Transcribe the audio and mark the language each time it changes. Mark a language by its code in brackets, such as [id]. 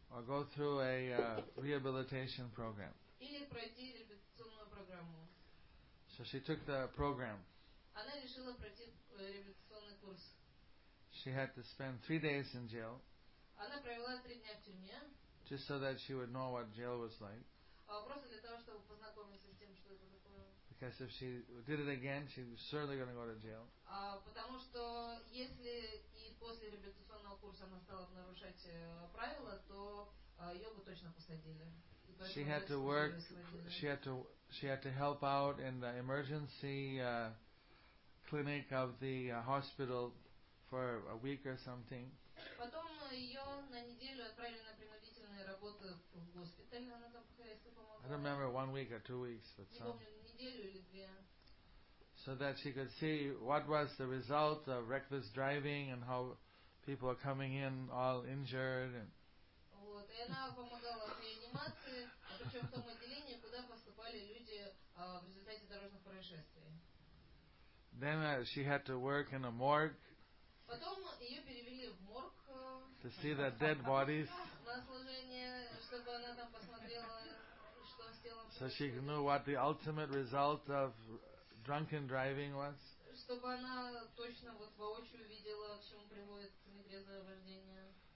[en] Or go through a rehabilitation program. [ru] Или пройти реабилитационную программу. [en] So she took the program. [ru] Она решила пройти реабилитационный курс. [en] She had to spend 3 days in jail. [ru] Она провела 3 дня в тюрьме. [en] Just so that she would know what jail was like. [ru] Просто для того, чтобы познакомиться с тем, что это такое. [en] Because if she did it again, she was certainly going to go to jail. [ru] Потому что если и после реабилитационного курса она стала нарушать правила, то ее бы точно посадили. [en] She had to work. She had to help out in the emergency clinic of the hospital for a week or something. [ru] Потом ее на неделю отправили на принудительные работы в госпиталь. Она там хозяйство помогала. [en] I don't remember 1 week or 2 weeks, but some. [ru] Не помню, неделю или две. [en] So that she could see what was the result of reckless driving and how people are coming in all injured and. [ru] Вот. И она помогала в реанимации, причем в том отделении, куда поступали люди в результате дорожных происшествий. [en] Then she had to work in a morgue. [ru] Потом ее перевели в морг. [en] To see the dead bodies. [ru] На служение, чтобы она там посмотрела, что с телом. [en] So she knew what the ultimate result of drunken driving was. [ru] Чтобы она точно вот воочию видела, к чему приводит нетрезвое вождение.